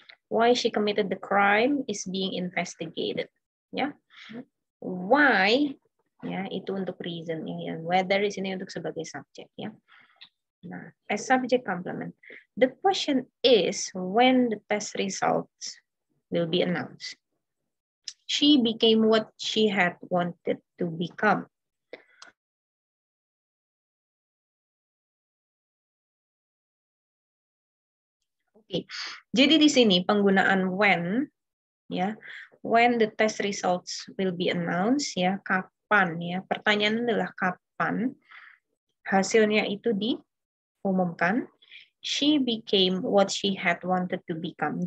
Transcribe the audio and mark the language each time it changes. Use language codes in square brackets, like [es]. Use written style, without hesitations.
[en] Why she committed the crime is being investigated. [id] Ya. Why? Ya, itu untuk reason ya. Whether is ini untuk sebagai subject ya. [en] Nah, as subject complement. The question is when the test results will be announced. She became what she had wanted to become. [id] Okay. Jadi di sini penggunaan when ya, [en] when the test results will be announced [id] ya, kapan ya? Pertanyaan adalah kapan hasilnya itu diumumkan. [en] She became what she had wanted to become.